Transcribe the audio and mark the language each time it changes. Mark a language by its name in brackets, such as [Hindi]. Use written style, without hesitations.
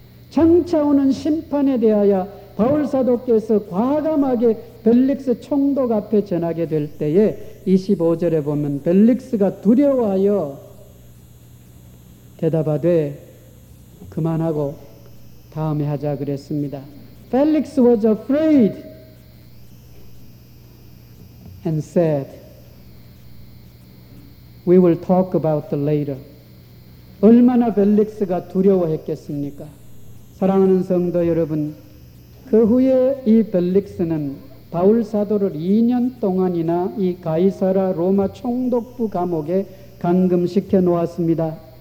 [Korean] 장차 오는 심판에 대하여 바울사도께서 과감하게 벨릭스 총독 앞에 전하게 될 때에 25절에 보면 벨릭스가 두려워하여 대답하되 그만하고 다음에 하자 그랬습니다. [English] Felix was afraid and said, We will talk about the later. [Korean] 얼마나 벨릭스가 두려워했겠습니까? 사랑하는 성도 여러분, 그 후에 이 벨릭스는 바울 사도를 2년 동안이나 이 가이사라 로마 총독부 감옥에 감금시켜 놓았습니다.